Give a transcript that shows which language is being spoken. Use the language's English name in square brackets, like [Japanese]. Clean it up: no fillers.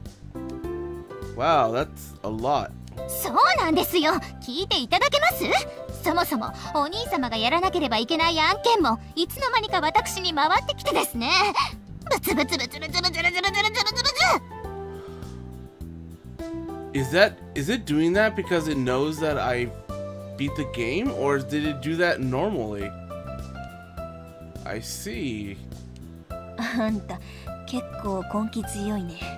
[English] that's a lot. [Japanese] そうなんですよ。聞いていただけます?そもそも、お兄様がやらなければいけない案件も、いつの間にか私に回ってきてですね。ブツブツブツブツブツブツブツブツブツ。 [English] Is it doing that because it knows that I beat the game, or did it do that normally? I see. [Japanese] あんた、結構根気強いね。